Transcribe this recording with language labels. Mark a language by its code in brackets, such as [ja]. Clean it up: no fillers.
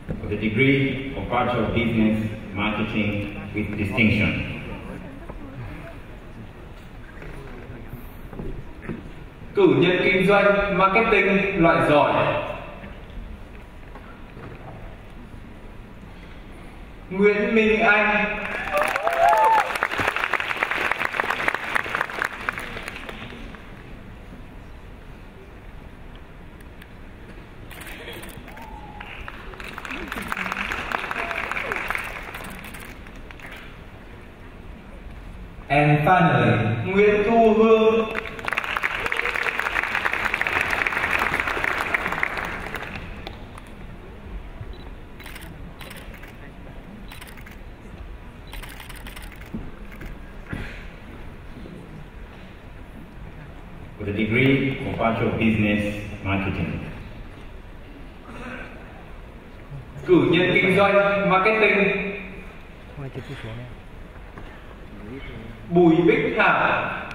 [en] Degree of Bachelor of Business Marketing with Distinction. [vi] Cử nhân kinh doanh marketing loại giỏi. Nguyễn Minh Anh. [en] And finally, [vi] Nguyễn Thu Hương. [en] With a degree of Bachelor of Business Marketing. [vi] Cử nhân kinh doanh marketing. Bùi Bích Thảo.